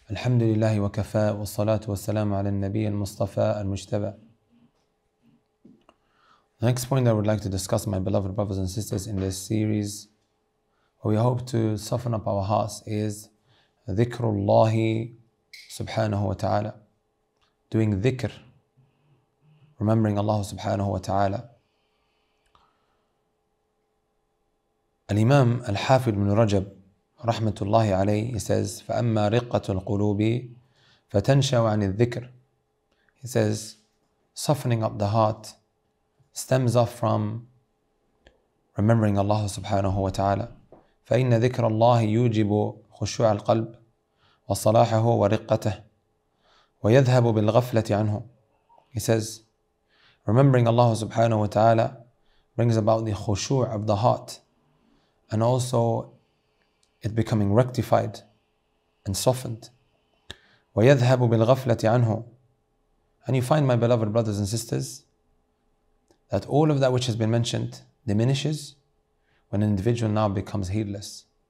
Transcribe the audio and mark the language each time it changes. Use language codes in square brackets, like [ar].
[ar] الحمد لله وكفى والصلاة والسلام على النبي المصطفى المجتبى. [en] The next point I would like to discuss, my beloved brothers and sisters, in this series, where we hope to soften up our hearts, is [ar] ذكر الله سبحانه وتعالى. [en] Doing ذكر, remembering Allah سبحانه وتعالى. [ar] الإمام الحافظ بن رجب رحمة الله عليه, [en] he says, [ar] فأما رقة القلوب فتنشأ عن الذكر. [en] He says, softening up the heart stems off from remembering Allah سبحانه وتعالى. [ar] فإن ذكر الله يوجب خشوع القلب وصلاحه ورقته ويذهب بالغفلة عنه. [en] He says, remembering Allah سبحانه وتعالى brings about the خشوع of the heart and also it becoming rectified and softened. [ar] وَيَذْهَبُ بِالْغَفْلَةِ عَنْهُ. [en] And you find, my beloved brothers and sisters, that all of that which has been mentioned diminishes when an individual now becomes heedless.